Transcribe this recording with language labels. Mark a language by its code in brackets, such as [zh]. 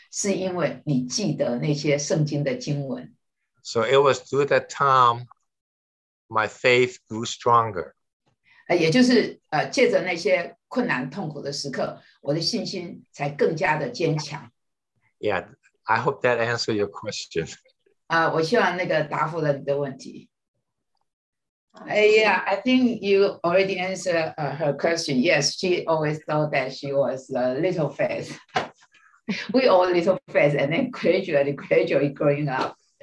[zh] 是因为你记得那些圣经的经文。 [en] So it was through that time, my faith grew stronger. [zh] 也就是借着那些困难痛苦的时刻，我的信心才更加的坚强。 [en] Yeah, I hope that answers your question. [zh] 我希望那个答复了你的问题。 [en] Yeah, I think you already answered her question. Yes, she always thought that she was a little faith. We all little faith, and then gradually growing up.